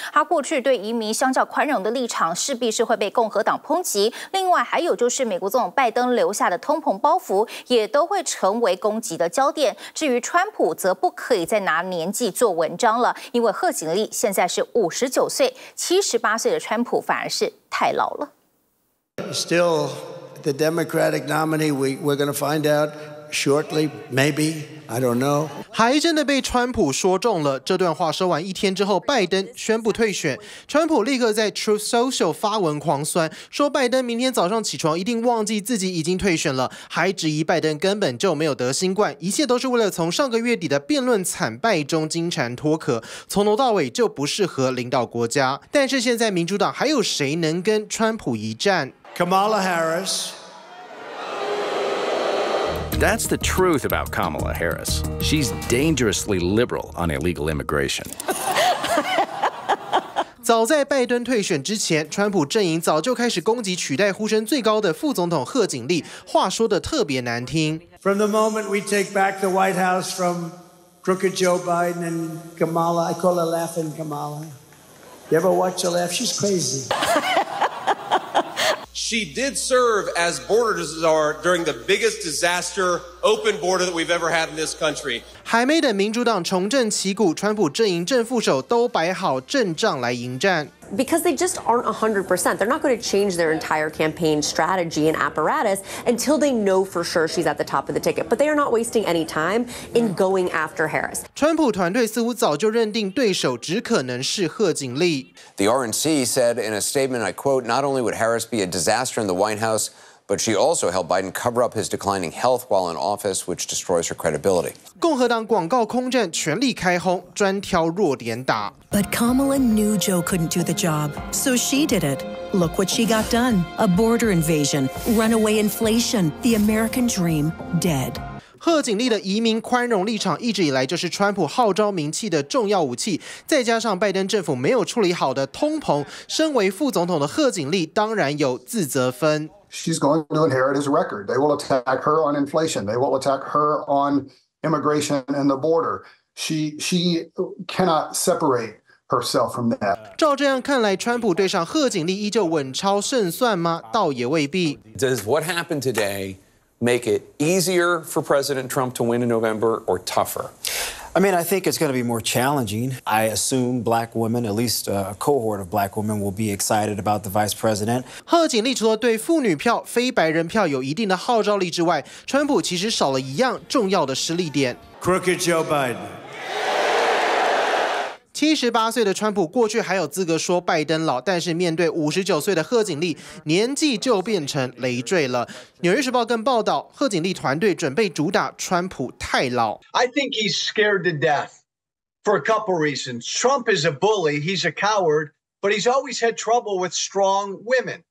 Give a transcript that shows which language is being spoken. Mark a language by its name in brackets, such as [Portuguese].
[Chinese] 他过去对移民相较宽容的立场，势必是会被共和党抨击。另外还有就是美国总统拜登留下的通膨包袱，也都会成为攻击的焦点。至于川普则不可以再拿年纪做文章了，因为贺锦丽现在是59岁，78岁的川普反而是太老了。 [English] Still, the Democratic nominee, we're going to find out shortly, maybe. I don't know. [Chinese] 还真的被川普说中了。这段话说完一天之后，拜登宣布退选，川普立刻在 Truth Social 发文狂酸，说拜登明天早上起床一定忘记自己已经退选了，还质疑拜登根本就没有得新冠，一切都是为了从上个月底的辩论惨败中金蝉脱壳，从头到尾就不适合领导国家。但是现在民主党还有谁能跟川普一战？ [English] Kamala Harris. That's the truth about Kamala Harris. She's dangerously liberal on illegal immigration. [Chinese] 早在拜登退选之前，川普阵营早就开始攻击取代呼声最高的副总统贺锦丽，话说得特别难听。 [English] From the moment we take back the White House from Crooked Joe Biden and Kamala. I call her Laughing Kamala. You ever watch her laugh? She's crazy. She did serve as border czar during the biggest disaster open border that we've ever had in this country. [Chinese] 还没等民主党重振旗鼓，川普阵营正副手都摆好阵仗来迎战。 [English] Because they just aren't 100%. They're not going to change their entire campaign strategy and apparatus until they know for sure she's at the top of the ticket. But they are not wasting any time in going after Harris. [Chinese] 川普团队似乎早就认定对手只可能是贺锦丽。 [English] The RNC said in a statement, I quote, not only would Harris be a disaster in the White House,But she also helped Biden cover up his declining health while in office, which destroys her credibility. [Chinese] 共和党广告空战全力开轰，专挑弱点打。 [English] But Kamala knew Joe couldn't do the job, so she did it. Look what she got done. A border invasion, runaway inflation, the American dream dead. [Chinese] 贺锦丽的移民宽容立场一直以来就是川普号召民气的重要武器，再加上拜登政府没有处理好的通膨，身为副总统的贺锦丽当然有自责分。 [English] She's going to inherit his record. They will attack her on inflation. They will attack her on immigration and the border. She cannot separate herself from that. [Chinese] 照这样看来，川普对上贺锦丽依旧稳操胜算吗？倒也未必。 [English] Does what happened today make it easier for President Trump to win in November or tougher? I mean, I think it's going to be more challenging. I assume black women, at least a cohort of black women, will be excited about the vice president. [Chinese] 贺锦丽除了对妇女票、非白人票有一定的号召力之外，川普其实少了一样重要的实力点。 [English] Crooked Joe Biden. [Chinese] 78岁的川普过去还有资格说拜登老，但是面对59岁的贺锦丽，年纪就变成累赘了。纽约时报更报道，贺锦丽团队准备主打川普太老。 [English] I think he's scared to death for a couple reasons. Trump is a bully, he's a coward, but he's always had trouble with strong women.